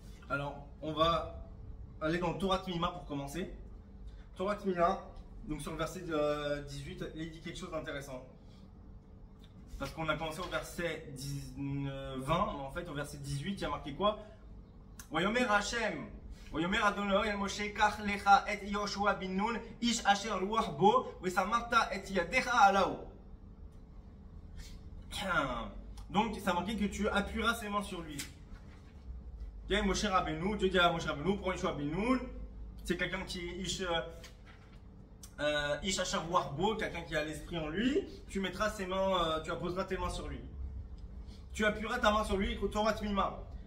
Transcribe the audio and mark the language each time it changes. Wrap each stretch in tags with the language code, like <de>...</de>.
<fr>Alors, on va aller dans le Torah Tmima pour commencer. Torah Tmima, donc sur le verset 18, il dit quelque chose d'intéressant. Parce qu'on a commencé au verset 20, mais en fait, au verset 18, il y a marqué quoi ?</fr> <he>ויאמר השם, ויאמר אדוני אל משה, קח לך את יהושע בן נון, איש אשר רוח בו, וסמכת את ידיך עליו.</he> <fr>Donc, ça marque que tu appuieras ses mains sur lui. Tiens, Moshe Rabbeinu, Dieu dit à Moshe Rabbeinu, prends Yehoshua ben Nun. C'est quelqu'un qui est</fr> <he>Ish Asher Ruach Bo,</he> <fr>quelqu'un qui a l'esprit en lui. Tu mettras ses mains, tu apposeras tes mains sur lui. Tu appuieras ta main sur lui, Torah Tmima.</fr>